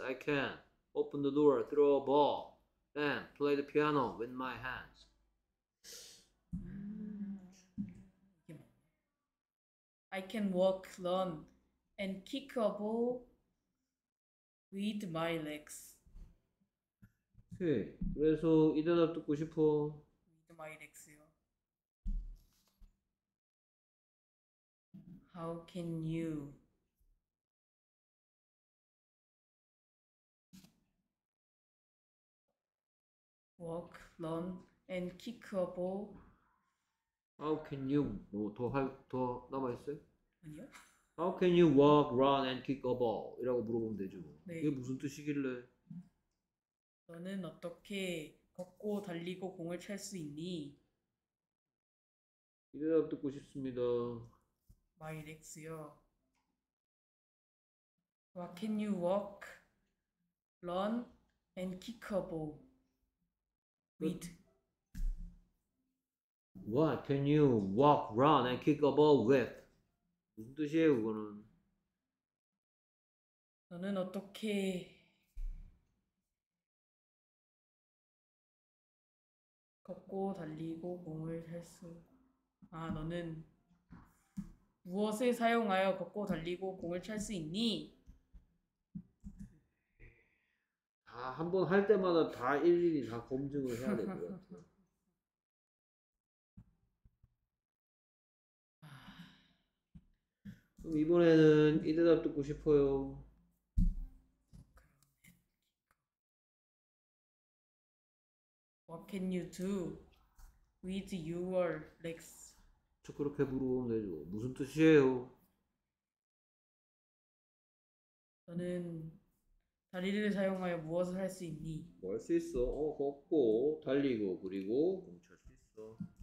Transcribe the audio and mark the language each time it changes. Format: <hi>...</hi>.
<en>I can open the door, throw a ball, and play the piano with my hands. 아, I can walk, run, and kick a ball. With my legs.</en> <ko>오케이. 그래서 이 대답 듣고 싶어.</ko> <en>With my legs요. How can you walk, run, and kick a ball? How can you</en> <ko>뭐 더 남아 있어요? 아니요.</ko> <en>How can you walk, run, and kick a ball?</en> <ko>이라고 물어보면 되죠. 네. 이게 무슨 뜻이길래? 너는 어떻게 걷고 달리고 공을 찰 수 있니? 이 대답 듣고 싶습니다.</ko> <en>My legs요. What can you walk, run, and kick a ball with? What can you walk, run, and kick a ball with?</en> <ko>무슨 뜻이에요, 그거는? 너는 어떻게 걷고 달리고 공을 찰 수? 아, 너는 무엇을 사용하여 걷고 달리고 공을 찰수 있니? 다 한 번 할 때마다 다 일일이 다 검증을 해야 될 것 같아요. 그럼 이번에는 이 대답 듣고 싶어요. 그러면</ko> <en>What can you do with your legs?</en> <ko>저 그렇게 물어보면 되죠. 무슨 뜻이에요? 저는 다리를 사용하여 무엇을 할 수 있니? 뭐 할 수 있어. 걷고, 달리고, 그리고 뭉칠 수 있어.</ko>